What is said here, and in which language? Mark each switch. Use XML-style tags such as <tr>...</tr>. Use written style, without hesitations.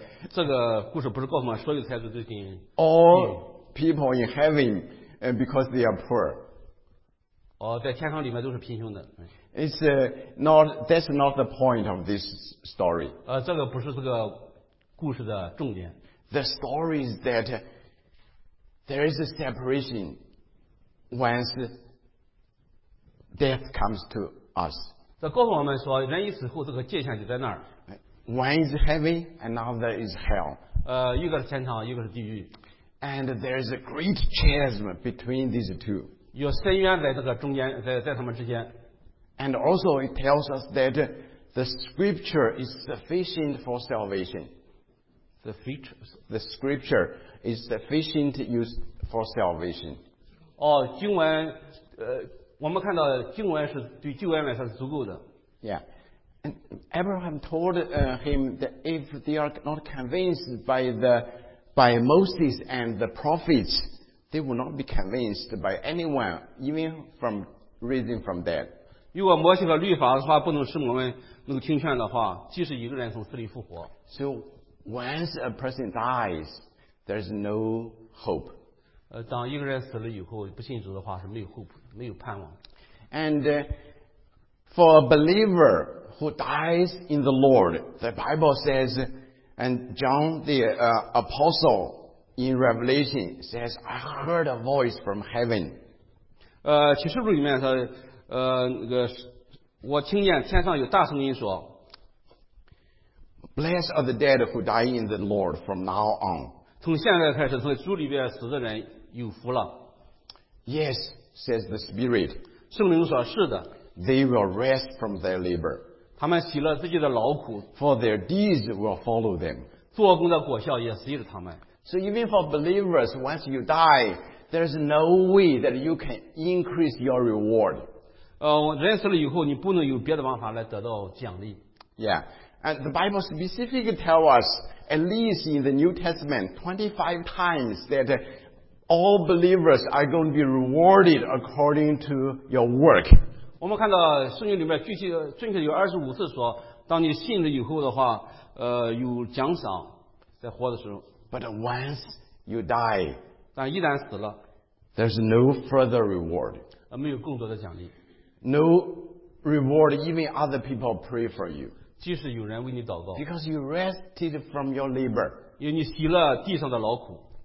<zh>这个故事不是告诉我们所有财主都进。</zh> <en>All people in heaven, because they are poor.</en> <zh>哦，在天堂里面都是贫穷的。</zh> <en>It's not. That's not the point of this story.</en> <zh>这个不是这个故事的重点。</zh> <en>The story is that there is a separation once death comes to us.</en> <zh>这告诉我们说，人一死后，这个界限就在那儿。</zh> <en>One is heaven, another is hell.</en> <zh>一个是天堂，一个是地狱。</zh> <en>And there is a great chasm between these two.</en> <zh>有深渊在这个中间，在他们之间。</zh> <en>And also, it tells us that the scripture is sufficient for salvation. The scripture is sufficient use for salvation.</en> <zh>哦，经文，我们看到经文是对旧约来说是足够的。 Yeah.</zh> <en>And Abraham told him that if they are not convinced by Moses and the prophets, they will not be convinced by anyone, even from raising from dead.</en> <zh>如果摩西和律法的话不能使我们能听劝的话，即使一个人从死里复活。</zh> <en>So once a person dies, there is no hope.</en> <zh>当一个人死了以后不信主的话是没有 hope, 没有盼望。</zh> <en>And for a believer,who dies in the Lord, the Bible says, and John the apostle in Revelation says, I heard a voice from heaven.</en> <zh>启示录里面说，我听见天上有大声音说，</zh> <en>Blessed are the dead who die in the Lord from now on.</en> <zh>从现在开始，从主里边死的人有福了。</zh> <en>Yes, says the Spirit.</en> <zh>圣灵说是的。</zh> <en>They will rest from their labor.</en> <zh>他们洗了自己的劳苦</zh> <en>，for their deeds will follow them，</en> <zh>做工的果效也随着他们。</zh> <en>So even for believers, once you die, there is no way that you can increase your reward。</en> <zh>人死了以后，你不能有别的方法来得到奖励。</zh> <en>Yeah, and the Bible specifically tells us, at least in the New Testament, 25 times that all believers are going to be rewarded according to your work.</en> <zh>我们看到圣经里面具体有25次说，当你信了以后的话，有奖赏，在活的时候。</zh> <en>But once you die,</en> <zh>但一旦死了</zh> <en>，there's no further reward.</en> <zh>没有更多的奖励。</zh> <en>No reward, even other people pray for you.</en> <zh>即使有人为你祷告。</zh> <en>Because you rested from your labor.</en> <zh>因为你洗了地上的劳苦。</zh>